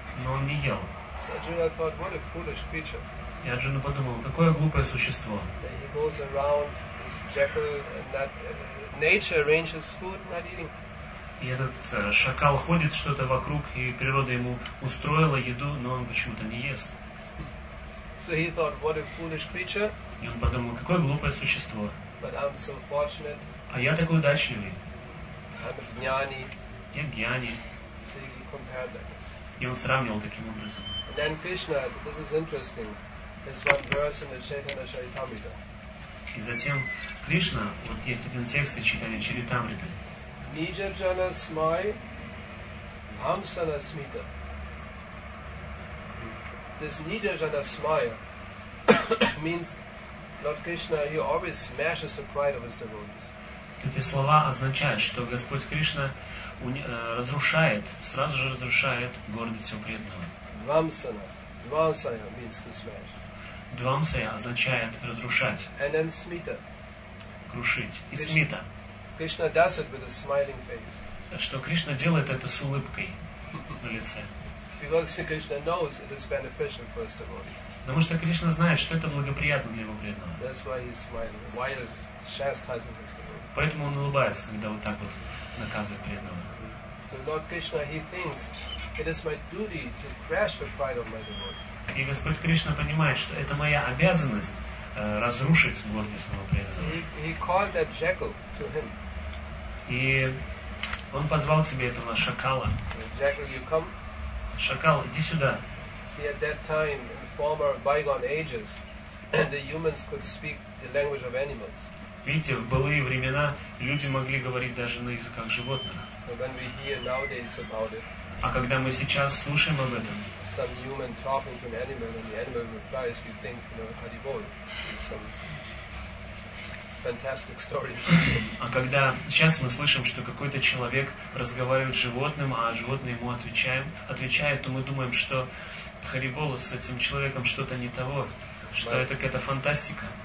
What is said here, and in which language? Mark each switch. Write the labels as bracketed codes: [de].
[ru] Но он не ел. [en] So Arjuna thought, what a foolish creature. [ru] И Арджуна подумал, какое глупое существо. [en] That he goes around this jackal and that nature arranges food, not eating. [ru] И этот шакал ходит что-то вокруг, и природа ему устроила еду, но он почему-то не ест. [en] So he thought, what a foolish creature. [ru] И он подумал, какое глупое существо. [en] But I'm so fortunate. [ru] А я такой удачливый. [en] I'm a jnani. [ru] Я гьяни. [en] So he compared like this. [ru] И он сравнивал таким образом. [en] And then Krishna, this is interesting, there's one verse in the Chaitanya Charitamrita. [ru] И затем Кришна, вот есть один текст из Чайтанья Чаритамриты. [sa] Nija jana smai bhamsana smita. [en] This [sa] nija jana smai [en] means Lord Krishna, he always smashes the pride of his devotees. [ru] Эти слова означают, что Господь Кришна разрушает, сразу же разрушает гордость всего преданного. [en] Dvamsana. Dvamsaya means to smash. [ru] Dvamsaya означает разрушать. [en] And then smita. [ru] Крушить. И смита. [en] Krishna does it with a smiling face. [ru] Что Кришна делает это с улыбкой на лице. [en] Because Krishna knows it is beneficial for his devotees. [ru] Потому что Кришна знает, что это благоприятно для его преданного. [en] That's why he's smiling. Why does Shastra has a mistake? [ru] Поэтому он улыбается, когда вот так вот наказывает преданного. [en] So And Lord Krishna, he thinks it is my duty to crush the pride of my devotee. [ru] И Господь Кришна понимает, что это моя обязанность разрушить гордость моего преданного. [en] He called that jackal to him. [ru] И он позвал к себе этого шакала. [en] Jackal, you come? [ru] Шакал, иди сюда. [en] See, at that time, in former bygone ages, the humans could speak the language of animals. [ru] Видите, в былые времена люди могли говорить даже на языках животных. [en] But when we hear nowadays about it, [ru] а когда мы сейчас слушаем об этом, [en] some human talking to an animal and the animal replies, we think, you know, Hari Bol. Some fantastic stories. [ru] А когда сейчас мы слышим, что какой-то человек разговаривает с животным, а животное ему отвечает, то мы думаем, что Hari Bol с этим человеком что-то не того, что это какая-то фантастика.